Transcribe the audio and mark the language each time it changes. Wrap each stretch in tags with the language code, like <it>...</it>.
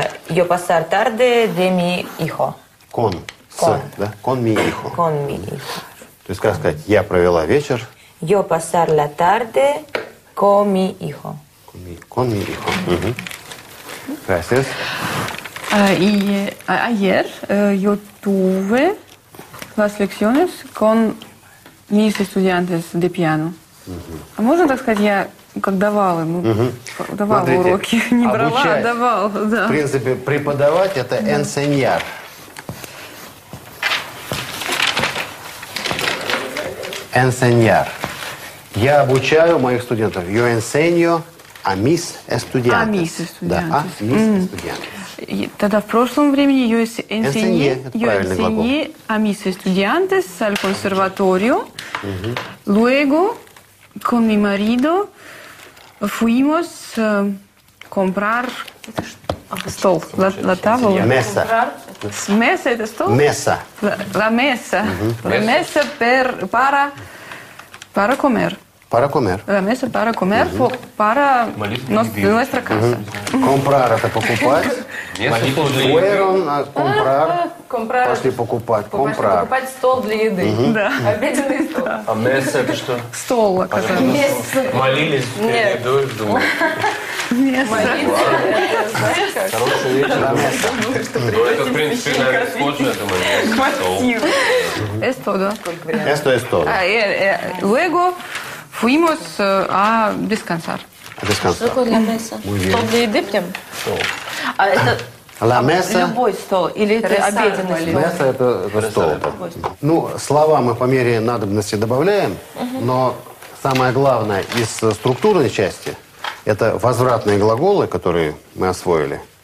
<es>Yo pasar tarde de mi hijo. Con. Con.</es> <ru>С, да?</ru> <es>Con mi hijo. Con mi hijo.</es> <ru>То есть, как сказать, я провела вечер.</ru> <es>Yo pasar la tarde con mi hijo. Con mi hijo. Gracias. Ayer yo tuve las lecciones con mis estudiantes de piano.</es> <ru>А можно так сказать, я как давал ему, давал уроки, не брала, а давал. Да. В принципе, преподавать – это enseñar.</ru> <es>Enseñar.</es> <ru>Я обучаю моих студентов.</ru> <es>Yo enseño. A mis estudiantes. A mis estudiantes. Да, a mis estudiantes.</es> <ru>И тогда в прошлом времени yo</ru> <es>enseñé, a mis estudiantes al conservatorio. Luego, con mi marido, fuimos comprar стол, la tabla. Mesa. Comprar,</es> <ru>Месса – это что? Месса.</ru> <es>La месса. La месса per, para, para comer. Para comer. La месса para comer, para nuestra casa.</es> <ru>Comprar – это покупать.</ru> <es>Fueron a comprar,</es> <ru>пошли покупать.</ru> <es>Comprar.</es> <ru>Пошли покупать стол для еды. Да. Обеденный стол. А месса – это что? Стол, оказалось. Месса. Молились перед едой. Хороший вечер, место. Ну, это, в принципе, наверное, схоже, это мое место.</ru> <es>Esto,</es> <ru>да.</ru> <es>Esto, esto. Luego fuimos a descansar. Descansar.</es> <ru>Что такое la mesa? Стол для еды прям?</ru> <es>Стол. La mesa.</es> <ru>Любой стол или это обеденный стол? Mesa – это стол. Ну, слова мы по мере надобности добавляем, но самое главное из структурной части – это возвратные глаголы, которые мы освоили.</ru>